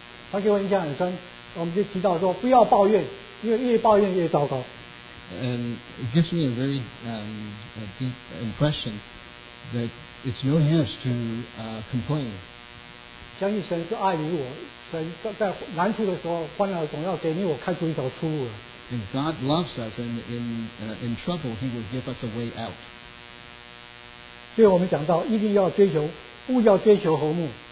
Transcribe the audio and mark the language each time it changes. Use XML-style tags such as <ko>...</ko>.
<zh>他给我印象很深，我们就提到说不要抱怨，因为越抱怨越糟糕。</zh> <en>And it gives me a very a deep impression that it's no use to complain.</en> <zh>相信神是爱你我，神在难处的时候，患难总要给你我开出一条出路。</zh> <en>And God loves us, and in trouble, He will give us a way out.</en> <zh>所以我们讲到一定要追求，不要追求和睦。</zh>